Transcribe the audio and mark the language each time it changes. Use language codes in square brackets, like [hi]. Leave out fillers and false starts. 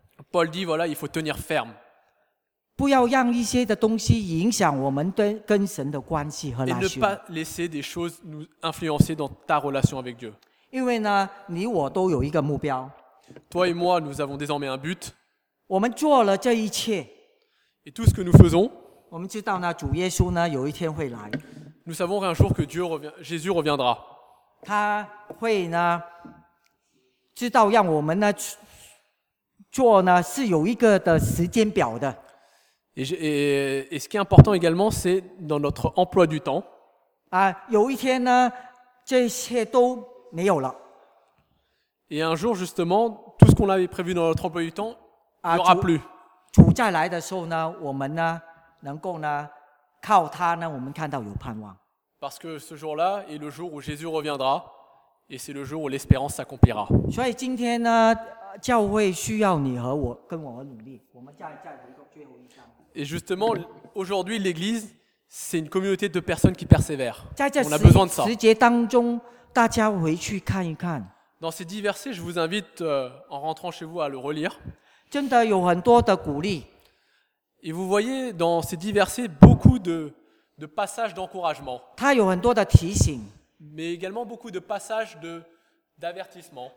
[fr] Paul dit voilà, il faut tenir ferme. [zh] 不要让一些的东西影响我们跟神的关系和拉扯。 [fr] Et ne pas laisser des choses nous influencer dans ta relation avec Dieu. [zh] 因为呢，你我都有一个目标。 [fr] Toi et moi, nous avons désormais un but. [zh] 我们做了这一切。 [fr] Et tout ce que nous faisons, [zh] 我们知道呢，主耶稣呢，有一天会来。 [fr] Nous savons qu'un jour que Dieu revient, Jésus reviendra. [zh] 他会呢，知道让我们呢做呢是有一个的时间表的。 [fr] Et ce qui est important également, c'est dans notre emploi du temps. [zh] 啊，有一天呢，这些都没有了。 [fr] Et un jour, justement, tout ce qu'on avait prévu dans notre emploi du temps, il n'y aura plus. [zh] 主再来的时候呢，我们呢能够呢靠他呢，我们看到有盼望。 [fr] Parce que ce jour-là est le jour où Jésus reviendra, et c'est le jour où l'espérance s'accomplira. [zh] 所以今天呢，教会需要你和我跟我们努力。我们再回到最后一章。 [fr] Et justement, aujourd'hui, l'Église, c'est une communauté de personnes qui persévèrent. [zh] 在这 时节当中，大家回去看一看。 [fr] Dans ces dix versets, je vous invite, en rentrant chez vous, à le relire. [zh] 真的有很多的鼓励。 [fr] Et vous voyez dans ces dix versets beaucoup de passages d'encouragement. [zh] 它有很多的提醒。 [fr] Mais également beaucoup de passages d'avertissement.